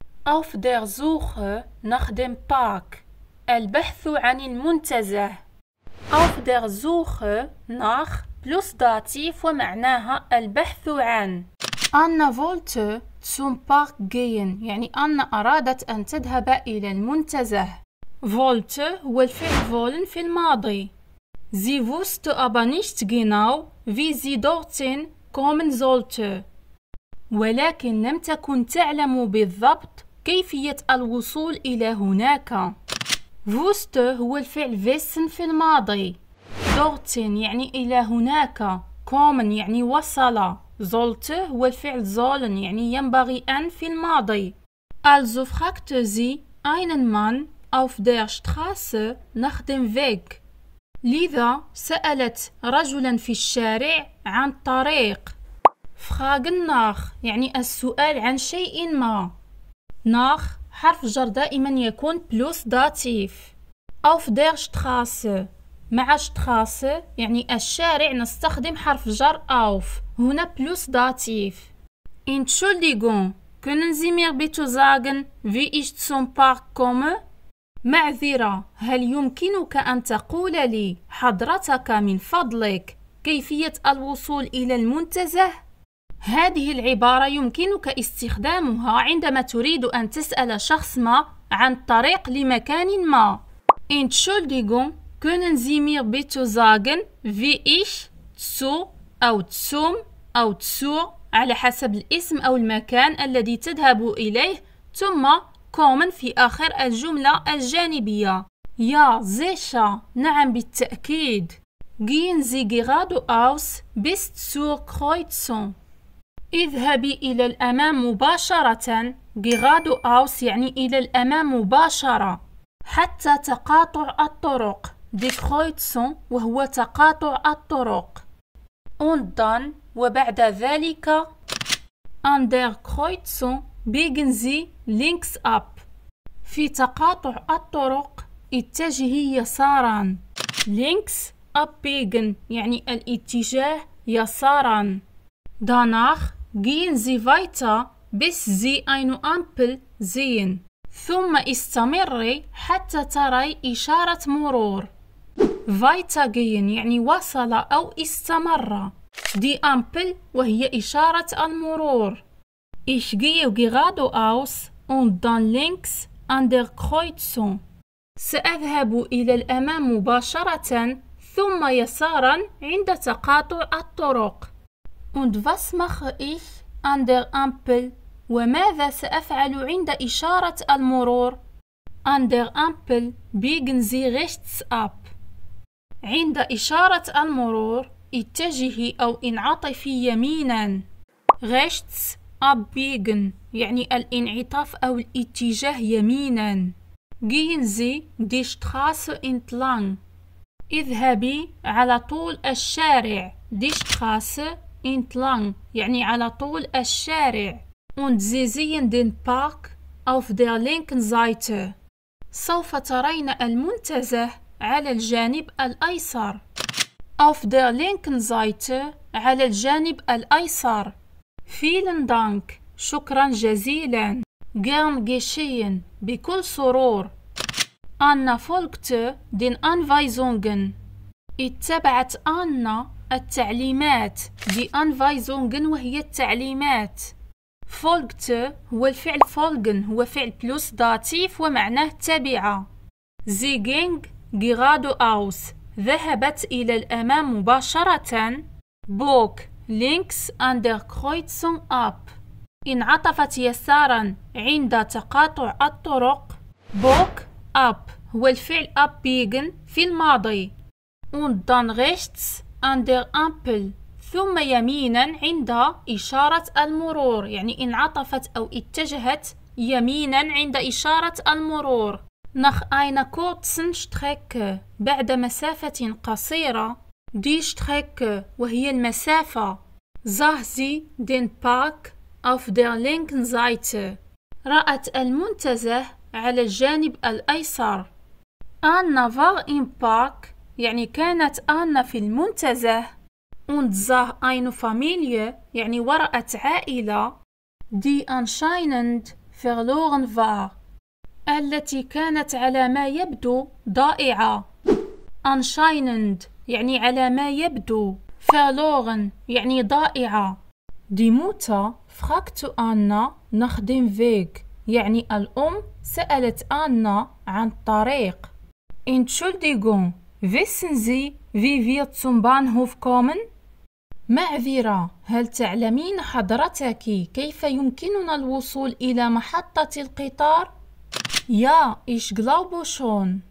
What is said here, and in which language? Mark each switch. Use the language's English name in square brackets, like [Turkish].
[German] Auf der Suche nach dem Park. [Arabic] البحث عن المنتزه. [German] Auf der Suche nach plus dativ [Arabic] ومعناها البحث عن. [German] Anna wollte zum Park gehen. [Arabic] يعني أن أرادت أن تذهب إلى المنتزه. Wollte هو الفعل wollen في الماضي. [German] Sie wusste aber nicht genau, wie sie dorthin kommen sollte. [Arabic] ولكن لم تكن تعلم بالضبط كيفية الوصول إلى هناك. Wusste هو الفعل wissen في الماضي. Dorthin يعني إلى هناك. Kommen يعني وصل. Sollte هو الفعل sollen يعني ينبغي أن في الماضي. [German] Also fragte sie einen Mann auf der Straße nach dem Weg. [Arabic] لذا سألت رجلا في الشارع عن الطريق. [German] Fragen nach [Arabic] يعني السؤال عن شيء ما. Nach حرف جر دائما يكون plus dativ. [German] Auf der Straße. [Arabic] مع Straße يعني الشارع نستخدم حرف جر auf. [German] هنا plus dativ. Entschuldigung, können Sie mir bitte sagen, wie ich zum Park komme? [Arabic] معذرة، هل يمكنك أن تقول لي حضرتك من فضلك كيفية الوصول إلى المنتزه؟ هذه العبارة يمكنك استخدامها عندما تريد أن تسأل شخص ما عن الطريق لمكان ما. [German] Entschuldigung, können Sie mir bitte sagen, wie ich zu [Arabic] أو zum أو zur على حسب الاسم أو المكان الذي تذهب إليه ثم kommen في آخر الجملة الجانبية. [German] Ja, sicher. [Arabic] نعم بالتأكيد. [German] Gehen Sie geradeaus bis zur Kreuzung. [Arabic] اذهبي إلى الأمام مباشرة. Geradeaus يعني إلى الأمام مباشرة. حتى تقاطع الطرق. [German] Die Kreuzung [Arabic] وهو تقاطع الطرق. Und dann وبعد ذلك. [German] An der Kreuzung biegen Sie links ab. [Arabic] في تقاطع الطرق اتجهي يسارا. [German] Links abbiegen [Arabic] يعني الاتجاه يسارا. [German] Danach gehen Sie weiter bis Sie eine Ampel sehen. [Arabic] ثم استمري حتى تري إشارة مرور. Weitergehen يعني وصل أو استمر. [German] Die Ampel [Arabic] وهي إشارة المرور. [German] Ich gehe geradeaus und dann links an der Kreuzung. [Arabic] سأذهب إلى الأمام مباشرة ثم يسارا عند تقاطع الطرق. [German] Und was mache ich an der Ampel? [Arabic] وماذا سأفعل عند إشارة المرور؟ [German] An der Ampel biegen Sie rechts ab. [Arabic] عند إشارة المرور اتجهي أو انعطفي يمينا. [German] Rechts abbiegen [Arabic] يعني الانعطاف أو الاتجاه يمينا. [German] Gehen Sie die Straße entlang. [Arabic] اذهبي على طول الشارع. [German] Die Straße entlang [Arabic] يعني على طول الشارع. [German] Und Sie sehen den Park auf der linken Seite. [Arabic] سوف ترين المنتزه على الجانب الأيسر. [German] Auf der linken Seite [Arabic] على الجانب الأيسر. [German] Vielen Dank. [Arabic] شكرا جزيلا. [German] Gern geschehen. [Arabic] بكل سرور. [German] Anna folgte den Anweisungen. [Arabic] اتبعت أن التعليمات. [German] Die Anweisungen [Arabic] وهي التعليمات. Folgte هو الفعل folgen هو فعل plus dativ ومعناه تبع. [German] Sie ging geradeaus. [Arabic] ذهبت إلى الأمام مباشرة. [German] Bog links an der Kreuzung ab. [Arabic] انعطفت يسارا عند تقاطع الطرق. Bog ab هو الفعل abbiegen في الماضي. [German] Und dann rechts an der Ampel. [Arabic] ثم يمينا عند إشارة المرور يعني انعطفت أو اتجهت يمينا عند إشارة المرور. [German] Nach einer kurzen Strecke [Arabic] بعد مسافة قصيرة. [German] Die Strecke [Arabic] وهي المسافة. [German] Sah sie den Park auf der linken Seite. [Arabic] رأت المنتزه على الجانب الأيسر. [German] Anna war im Park [Arabic] يعني كانت أنا في المنتزه. [German] Und sah eine Familie [Arabic] يعني ورأت عائلة. [German] Die anscheinend [Arabic] فيرلورن فار التي كانت على ما يبدو ضائعة. Anscheinend يعني على ما يبدو. Verloren يعني ضائعة. [German] Die Mutter fragte Anna nach dem Weg [Arabic] يعني الأم سألت أنا عن الطريق. [German] Entschuldigung, wissen Sie, wie wir zum Bahnhof kommen? [Arabic] معذرة، هل تعلمين حضرتك كيف يمكننا الوصول إلى محطة القطار؟ يا، [German] ich glaube schon.